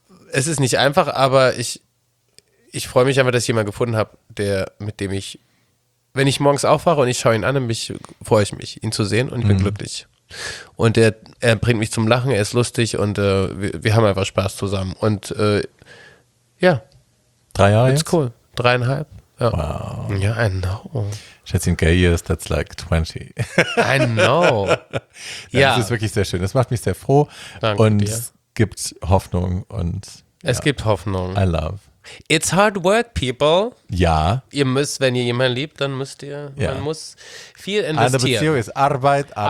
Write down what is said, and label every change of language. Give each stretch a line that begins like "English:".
German: Es ist nicht einfach, aber ich freue mich einfach, dass ich jemanden gefunden habe, der, mit dem ich, wenn ich morgens aufwache und ich schaue ihn an, freue ich mich, ihn zu sehen, und ich bin glücklich. Und er bringt mich zum Lachen, er ist lustig, und wir haben einfach Spaß zusammen. Und ja. Drei Jahre jetzt? Cool. Dreieinhalb.
English: Wow. Ja, I know. Schätzchen, gay years, that's like 20. I know.
German: Ja. Das ist wirklich sehr schön. Das macht mich sehr froh. Danke und dir. Gibt Hoffnung und ja. Es gibt Hoffnung.
English: I love. It's hard work, people.
German: Ja. Ihr müsst, wenn ihr jemanden liebt, dann müsst ihr, ja. Man muss viel investieren. Eine Beziehung ist Arbeit.